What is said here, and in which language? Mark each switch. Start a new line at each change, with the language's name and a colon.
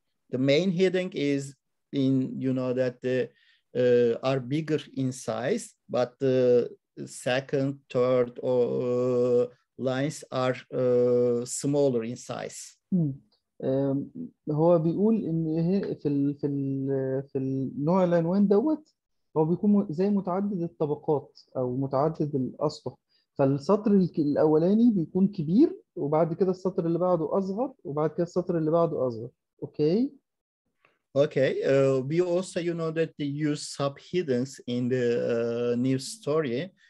English: The main heading is in, you know, that the are bigger in size, but the second, third, or lines are smaller in size.
Arabic: هو بيقول ان في النوع العنوان دوت هو بيكون زي متعدد الطبقات او متعدد الاسطح، فالسطر الاولاني بيكون كبير وبعد كده السطر اللي بعده اصغر وبعد كده السطر اللي بعده اصغر. اوكي
English: Okay, we also, you know, that they use subheadings in the news story.